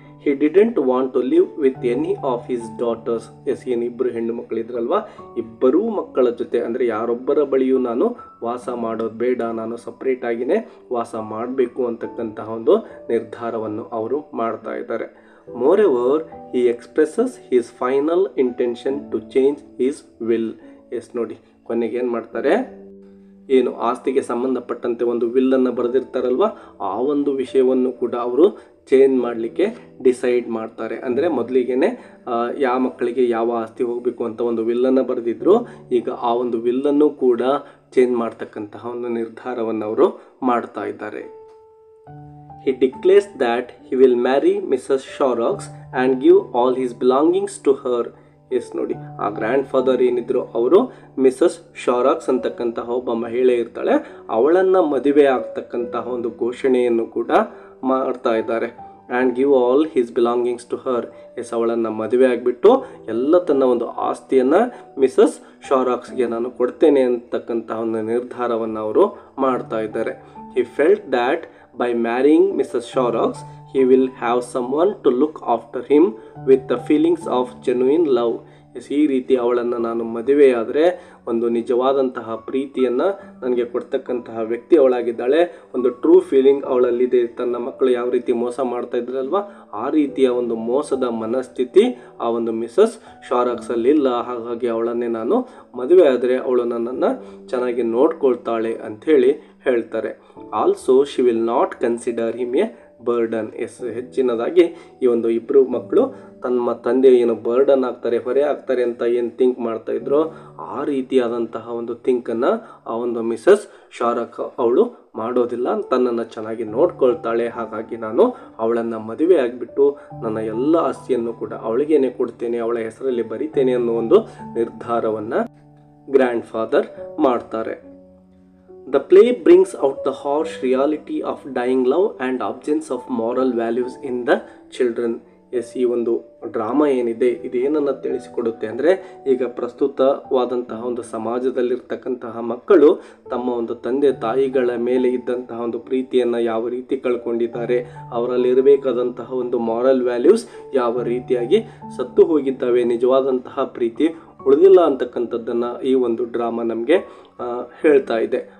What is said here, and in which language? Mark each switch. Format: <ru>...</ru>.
<en>He didn't want to live with any of his daughters.</en> <kn>S, ಏನು ಇಬ್ಬರು ಹೆಣ್ಣು ಮಕ್ಕಳಿದ್ರಲ್ವ, ಇಬ್ಬರೂ ಮಕ್ಕಳ ಜೊತೆ ಅಂದರೆ ಯಾರೊಬ್ಬರ ಬಳಿಯೂ ನಾನು ವಾಸ ಮಾಡೋದು ಬೇಡ, ನಾನು ಸಪ್ರೇಟಾಗಿಯೇ ವಾಸ ಮಾಡಬೇಕು ಅಂತಕ್ಕಂತಹ ಒಂದು ನಿರ್ಧಾರವನ್ನು ಅವರು ಮಾಡ್ತಾ ಇದ್ದಾರೆ.</kn> <en>Moreover, he expresses his final intention to change his will.</en> <kn>Yes, ನೋಡಿ ಕೊನೆಗೆ ಏನು ಮಾಡ್ತಾರೆ, ಏನು ಆಸ್ತಿಗೆ ಸಂಬಂಧಪಟ್ಟಂತೆ ಒಂದು ವಿಲ್ಲನ್ನು ಬರೆದಿರ್ತಾರಲ್ವ, ಆ ಒಂದು ವಿಷಯವನ್ನು ಕೂಡ ಅವರು ಚೇಂಜ್ ಮಾಡಲಿಕ್ಕೆ ಡಿಸೈಡ್ ಮಾಡ್ತಾರೆ. ಅಂದರೆ ಮೊದಲಿಗೆ ಯಾವ ಮಕ್ಕಳಿಗೆ ಯಾವ ಆಸ್ತಿ ಹೋಗಬೇಕು ಅಂತ ಒಂದು ವಿಲ್ಲನ್ನು ಬರೆದಿದ್ದರು, ಈಗ ಆ ಒಂದು ವಿಲ್ಲನ್ನು ಕೂಡ ಚೇಂಜ್ ಮಾಡ್ತಕ್ಕಂತಹ ಒಂದು ನಿರ್ಧಾರವನ್ನು ಅವರು ಮಾಡ್ತಾ ಇದ್ದಾರೆ.</kn> <en>He declares that he will marry Mrs. Shorrox and give all his belongings to her.</en> <kn>S, ನೋಡಿ ಆ ಗ್ರ್ಯಾಂಡ್ ಫಾದರ್ ಏನಿದ್ರು, ಅವರು ಮಿಸಸ್ ಶೋರಾಕ್ಸ್ ಅಂತಕ್ಕಂತಹ ಒಬ್ಬ ಮಹಿಳೆ ಇರ್ತಾಳೆ, ಅವಳನ್ನು ಮದುವೆ ಆಗ್ತಕ್ಕಂತಹ ಒಂದು ಘೋಷಣೆಯನ್ನು ಕೂಡ ಮಾಡ್ತಾ ಇದ್ದಾರೆ.</kn> <en>And give all his belongings to her.</en> <kn>S, ಅವಳನ್ನು ಮದುವೆ ಆಗಿಬಿಟ್ಟು ಎಲ್ಲ ತನ್ನ ಒಂದು ಆಸ್ತಿಯನ್ನು ಮಿಸಸ್ ಶೋರಾಕ್ಸ್ಗೆ ನಾನು ಕೊಡ್ತೇನೆ ಅಂತಕ್ಕಂತಹ ಒಂದು ನಿರ್ಧಾರವನ್ನು ಅವರು ಮಾಡ್ತಾ ಇದ್ದಾರೆ.</kn> <en>He felt that by marrying Mrs Shorrocks he will have someone to look after him with the feelings of genuine love.</en> <kn>ಈ ರೀತಿ ಅವಳನ್ನು ನಾನು ಮದುವೆಯಾದರೆ ಒಂದು ನಿಜವಾದಂತಹ ಪ್ರೀತಿಯನ್ನು ನನಗೆ ಕೊಡ್ತಕ್ಕಂತಹ ವ್ಯಕ್ತಿ ಅವಳಾಗಿದ್ದಾಳೆ, ಒಂದು ಟ್ರೂ ಫೀಲಿಂಗ್ ಅವಳಲ್ಲಿದೆ, ತನ್ನ ಮಕ್ಕಳು ಯಾವ ರೀತಿ ಮೋಸ ಮಾಡ್ತಾ ಇದ್ರಲ್ವ ಆ ರೀತಿಯ ಒಂದು ಮೋಸದ ಮನಸ್ಥಿತಿ ಆ ಒಂದು ಮಿಸಸ್ ಶೋರಾಕ್ಸಲ್ಲಿ ಇಲ್ಲ, ಹಾಗಾಗಿ ಅವಳನ್ನೇ ನಾನು ಮದುವೆ ಆದರೆ ಅವಳು ನನ್ನನ್ನು ಚೆನ್ನಾಗಿ ನೋಡ್ಕೊಳ್ತಾಳೆ ಅಂಥೇಳಿ ಹೇಳ್ತಾರೆ.</kn> <en>Also she will not consider him a burden.</en> <kn>S, ಹೆಚ್ಚಿನದಾಗಿ ಈ ಒಂದು ಇಬ್ಬರು ಮಕ್ಕಳು ತಮ್ಮ ತಂದೆ ಏನು ಬರ್ಡನ್ ಆಗ್ತಾರೆ, ಹೊರೆ ಆಗ್ತಾರೆ ಅಂತ ಏನು ಥಿಂಕ್ ಮಾಡ್ತಾ ಇದ್ರು, ಆ ರೀತಿಯಾದಂತಹ ಒಂದು ಥಿಂಕನ್ನು ಆ ಒಂದು ಮಿಸಸ್ ಶಾರಕ್ ಅವಳು ಮಾಡೋದಿಲ್ಲ, ತನ್ನನ್ನು ಚೆನ್ನಾಗಿ ನೋಡ್ಕೊಳ್ತಾಳೆ, ಹಾಗಾಗಿ ನಾನು ಅವಳನ್ನು ಮದುವೆ ಆಗಿಬಿಟ್ಟು ನನ್ನ ಎಲ್ಲ ಆಸ್ತಿಯನ್ನು ಕೂಡ ಅವಳಿಗೇನೆ ಕೊಡ್ತೇನೆ, ಅವಳ ಹೆಸರಲ್ಲಿ ಬರೀತೇನೆ ಅನ್ನೋ ಒಂದು ನಿರ್ಧಾರವನ್ನು ಗ್ರ್ಯಾಂಡ್ ಫಾದರ್ ಮಾಡ್ತಾರೆ.</kn> <en>The play brings out the harsh reality of dying love and absence of moral values in the children.</en> <kn>Yes, ಈ ಒಂದು ಡ್ರಾಮಾ ಏನಿದೆ ಇದೇನನ್ನು ತಿಳಿಸಿಕೊಡುತ್ತೆ ಅಂದರೆ, ಈಗ ಪ್ರಸ್ತುತವಾದಂತಹ ಒಂದು ಸಮಾಜದಲ್ಲಿರ್ತಕ್ಕಂತಹ ಮಕ್ಕಳು ತಮ್ಮ ಒಂದು ತಂದೆ ತಾಯಿಗಳ ಮೇಲೆ ಇದ್ದಂತಹ ಒಂದು ಪ್ರೀತಿಯನ್ನು ಯಾವ ರೀತಿ ಕಳ್ಕೊಂಡಿದ್ದಾರೆ, ಅವರಲ್ಲಿರಬೇಕಾದಂತಹ ಒಂದು ಮಾರಲ್ ವ್ಯಾಲ್ಯೂಸ್ ಯಾವ ರೀತಿಯಾಗಿ ಸತ್ತು ಹೋಗಿದ್ದಾವೆ, ನಿಜವಾದಂತಹ ಪ್ರೀತಿ ಉಳಿದಿಲ್ಲ ಅಂತಕ್ಕಂಥದ್ದನ್ನು ಈ ಒಂದು ಡ್ರಾಮಾ ನಮಗೆ ಹೇಳ್ತಾ ಇದೆ.</kn>